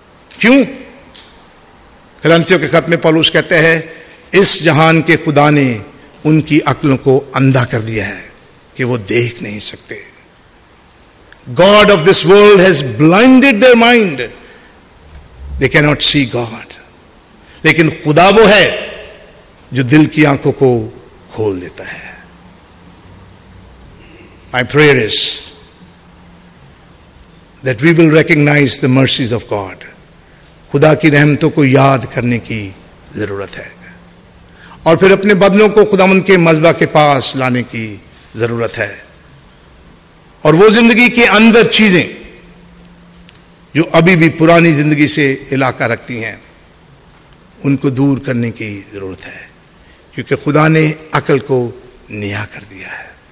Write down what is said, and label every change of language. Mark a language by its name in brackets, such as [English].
[Urdu] کیوں؟ کرنتھیوں کے خط میں پولوس کہتے ہیں اس جہان کے خدا نے ان کی عقلوں کو اندھا کر دیا ہے کہ وہ دیکھ نہیں سکتے. [English] God of this world has blinded their mind, they can not see God. [Urdu] لیکن خدا وہ ہے جو دل کی آنکھوں کو کھول دیتا ہے. [English] My prayer is that we will recognise the mercies of God. [Urdu] خدا کی رحمتوں کو یاد کرنے کی ضرورت ہے, اور پھر اپنے بدلوں کو خداوند کے مذبح کے پاس لانے کی ضرورت ہے. اور وہ زندگی کے اندر چیزیں جو ابھی بھی پرانی زندگی سے علاقہ رکھتی ہیں ان کو دور کرنے کی ضرورت ہے, کیونکہ خدا نے عقل کو نیا کر دیا ہے.